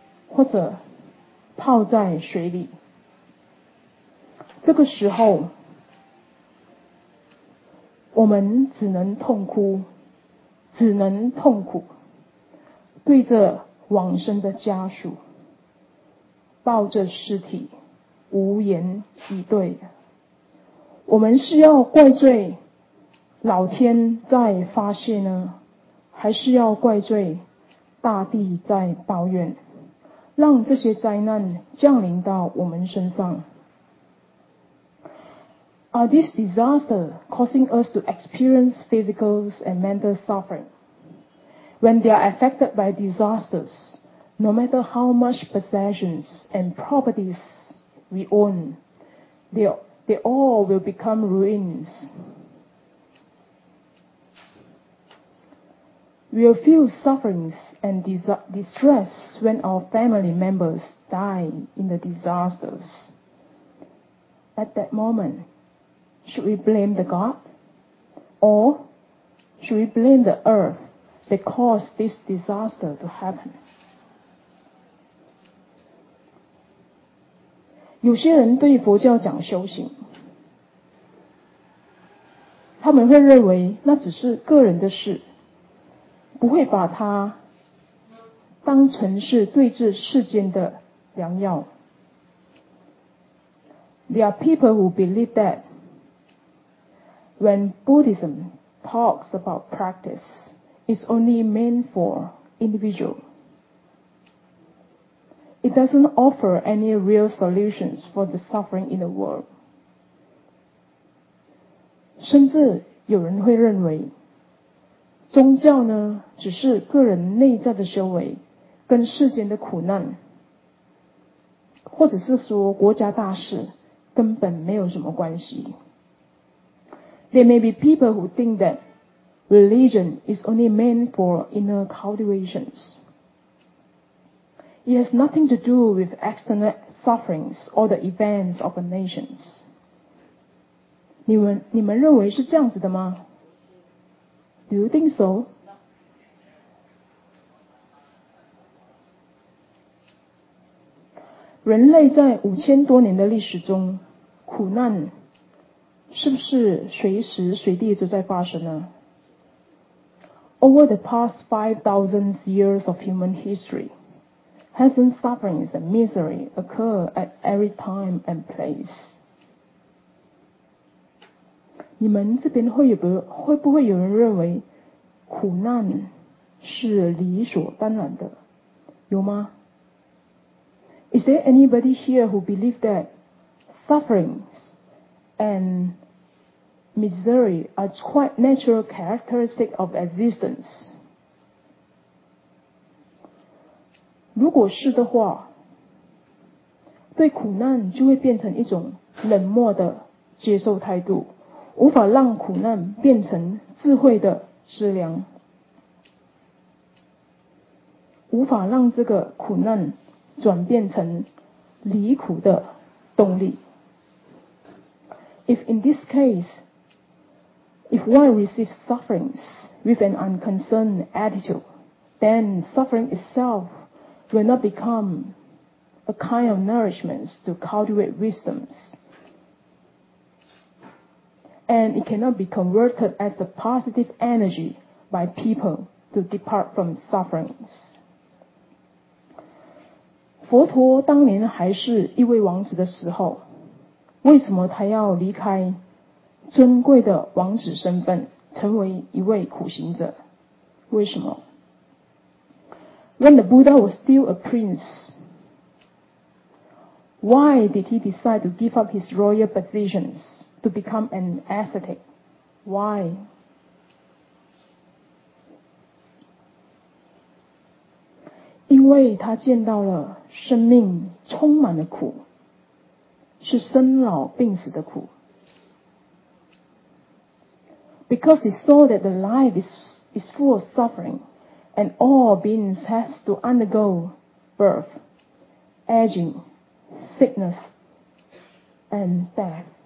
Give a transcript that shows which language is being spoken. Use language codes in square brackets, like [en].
[zh] 或者泡在水里。这个时候我们只能痛哭，只能痛苦，对着往生的家属，抱着尸体，无言以对。我们是要怪罪老天在发泄呢，还是要怪罪大地在抱怨，让这些灾难降临到我们身上？ [en] Are these disasters causing us to experience physical and mental suffering? When they are affected by disasters, no matter how much possessions and properties we own, they all will become ruins. We'll feel sufferings and distress when our family members die in the disasters. At that moment,Should we blame the God? Or should we blame the earth that caused this disaster to happen? [zh] 有些人对佛教讲修行，他们会认为那只是个人的事，不会把它当成是对治世间的良药。 [en] There are people who believe thatWhen Buddhism talks about practice, it's only meant for individual. It doesn't offer any real solutions for the suffering in the world. [zh] 甚至有人会认为，宗教呢，只是个人内在的修为，跟世间的苦难，或者是说国家大事，根本没有什么关系。 [en] There may be people who think that religion is only meant for inner cultivations. It has nothing to do with external sufferings or the events of the nations. [zh] 你们认为是这样子的吗？ [en] Do you think so? [zh] 人类在五千多年的历史中，苦难是不是随时随地就在发生呢？ [en] Over the past 5,000 years of human history, hasn't sufferings and misery occur at every time and place? [zh] 你们这边会不会有人认为苦难是理所当然的？有吗？ [en] Is there anybody here who believe that sufferings andMisery are quite natural characteristics of existence. [zh] 如果是的话，对苦难就会变成一种冷漠的接受态度，无法让苦难变成智慧的资粮，无法让这个苦难转变成离苦的动力。 [en] If in this caseIf one receives sufferings with an unconcerned attitude, then suffering itself will not become a kind of nourishment to cultivate wisdom. And it cannot be converted as a positive energy by people to depart from sufferings. [zh] 佛陀当年还是一位王子的时候，为什么他要离开尊贵的王子身份，成为一位苦行者？为什么？ [en] When the Buddha was still a prince, why did he decide to give up his royal positions to become an ascetic? Why? [zh] 因为他见到了生命充满了苦，是生老病死的苦。 [en] Because he saw that the life is full of suffering, and all beings have to undergo birth, aging, sickness, and death.